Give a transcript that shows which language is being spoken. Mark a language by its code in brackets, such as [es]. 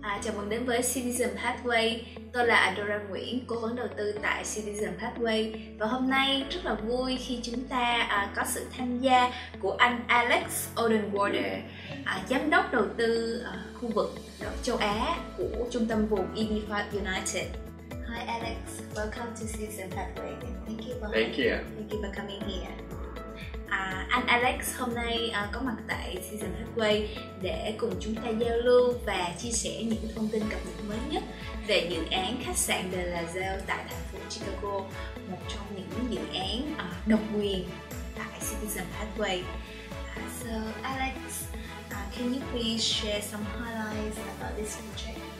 [vi] Chào mừng đến với Citizen Pathway. Tôi là Adora Nguyễn, cố vấn đầu tư tại Citizen Pathway. Và hôm nay rất là vui khi chúng ta có sự tham gia của anh Alex Odenwalder, giám đốc đầu tư khu vực châu Á của trung tâm vùng EB5 United. [en] Hi Alex, welcome to Citizen Pathway. Thank you for coming here. [vi] Anh Alex hôm nay có mặt tại Citizen Pathway để cùng chúng ta giao lưu và chia sẻ những thông tin cập nhật mới nhất về dự án khách sạn The Laselle tại thành phố Chicago, một trong những dự án độc quyền tại Citizen Pathway. [en] So Alex, can you please share some highlights about this project?